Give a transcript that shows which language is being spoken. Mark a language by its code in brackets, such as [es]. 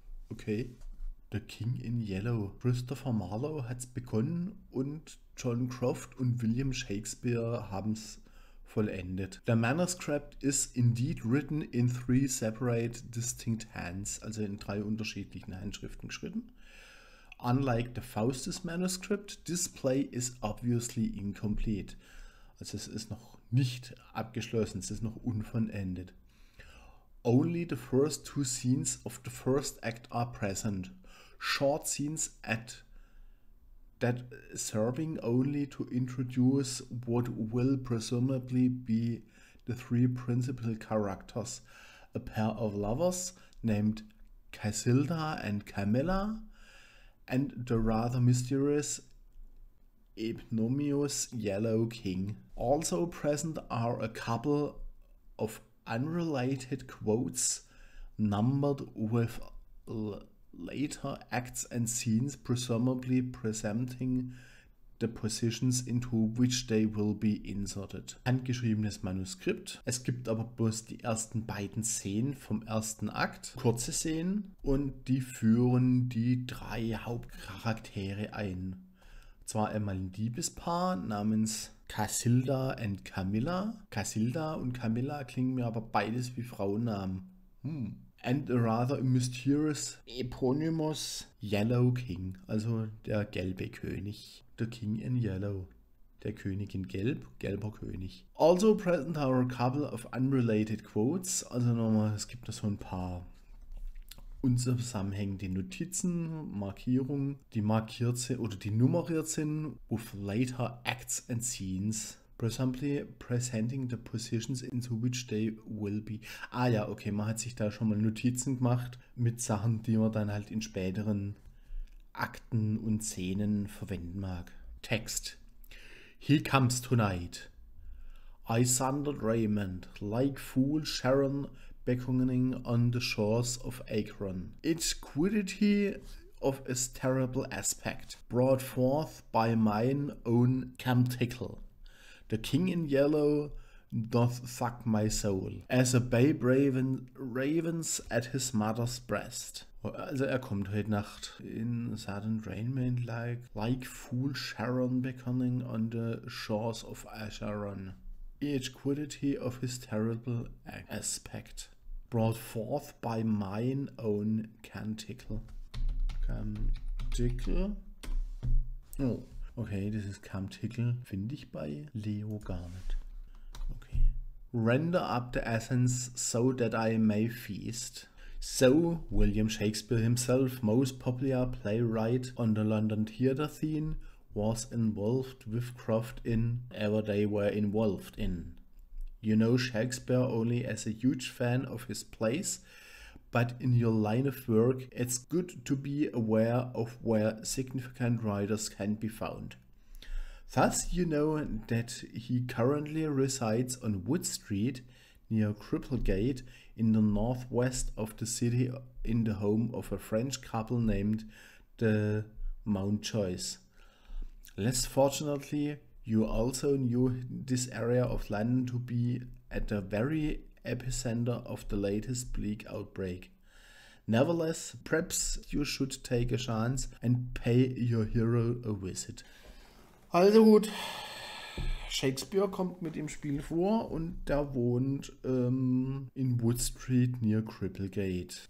[de] Okay. The King in Yellow. Christopher Marlowe hat's begonnen und John Croft und William Shakespeare haben's vollendet. [en] The manuscript is indeed written in three separate distinct hands, [de] also in drei unterschiedlichen Handschriften geschrieben. [en] Unlike the Faustus manuscript, this play is obviously incomplete. [de] Also es ist noch nicht abgeschlossen, es ist noch unvollendet. [en] Only the first two scenes of the first act are present. Short scenes at that serving only to introduce what will presumably be the three principal characters, a pair of lovers named Casilda and Camilla, and the rather mysterious eponymous Yellow King. Also present are a couple of unrelated quotes numbered with later acts and scenes, presumably presenting the positions into which they will be inserted. [de] Handgeschriebenes Manuskript. Es gibt aber bloß die ersten beiden Szenen vom ersten Akt, kurze Szenen, und die führen die drei Hauptcharaktere ein. Zwar einmal ein Liebespaar namens Casilda und Camilla. Casilda und Camilla klingen mir aber beides wie Frauennamen. [en] And a rather mysterious eponymous Yellow King, [de] also der gelbe König. The King in Yellow, der König in Gelb, gelber König. [en] Also present are a couple of unrelated quotes, [de] also nochmal, es gibt da so ein paar unzusammenhängende Notizen, Markierungen, die markiert sind oder die nummeriert sind, [en] with later acts and scenes. Presumably presenting the positions into which they will be. [de] Ah ja, okay, man hat sich da schon mal Notizen gemacht mit Sachen, die man dann halt in späteren Akten und Szenen verwenden mag. [en] Text. He comes tonight. Isander Raymond, like fool Sharon beckoning on the shores of Acheron. Its quiddity of its terrible aspect, brought forth by mine own cam tickle. The king in yellow doth suck my soul, as a babe ravens at his mother's breast. [de] Also er kommt heute Nacht [en] in sudden raiment like fool Sharon beckoning on the shores of Acheron. Each quiddity of his terrible aspect, brought forth by mine own canticle. Canticle. Oh. [de] Okay, das ist kein Titel, finde ich bei Leo gar nicht. Okay. [en] Render up the essence so that I may feast. So, William Shakespeare himself, most popular playwright on the London theatre scene, was involved with Croft in ever they were involved in. You know Shakespeare only as a huge fan of his plays, but in your line of work, it's good to be aware of where significant writers can be found. Thus, you know that he currently resides on Wood Street near Cripplegate in the northwest of the city in the home of a French couple named the Mountjoys. Less fortunately, you also knew this area of London to be at the very epicenter of the latest bleak outbreak. Nevertheless, perhaps you should take a chance and pay your hero a visit. [de] Also gut, Shakespeare kommt mit im Spiel vor und der wohnt in Wood Street near Cripplegate.